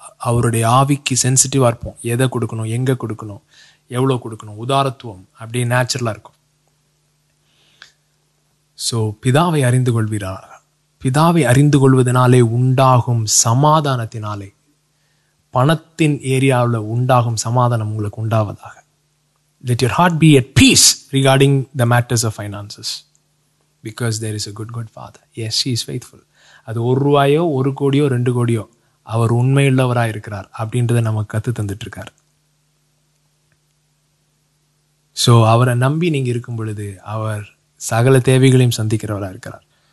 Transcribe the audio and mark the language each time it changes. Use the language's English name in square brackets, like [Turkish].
[Tamil] அவருடைய ஆவிக்கு சென்சிட்டிவாக இருப்போம். எதை கொடுக்கணும், எங்கே கொடுக்கணும், எவ்வளோ கொடுக்கணும், உதாரத்துவம் அப்படியே நேச்சுரலாக இருக்கும். ஸோ பிதாவை அறிந்து கொள்வீரா? பிதாவை அறிந்து கொள்வதனாலே உண்டாகும் சமாதானத்தினாலே, பணத்தின் ஏரியாவில் உண்டாகும் சமாதானம் உங்களுக்கு உண்டாவதாக. [English] Let your heart be at peace regarding the matters of finances. Because there is a good, good father. Yes, he is faithful. [Tamil] அது ஒரு ரூபாயோ, ஒரு கோடியோ, ரெண்டு கோடியோ, அவர் உண்மையுள்ளவராக இருக்கிறார் அப்படின்றத நமக்கு கற்று தந்துட்டுருக்கார். ஸோ அவரை நம்பி நீங்கள் இருக்கும் பொழுது அவர் சகல தேவைகளையும் சந்திக்கிறவராக இருக்கிறார்.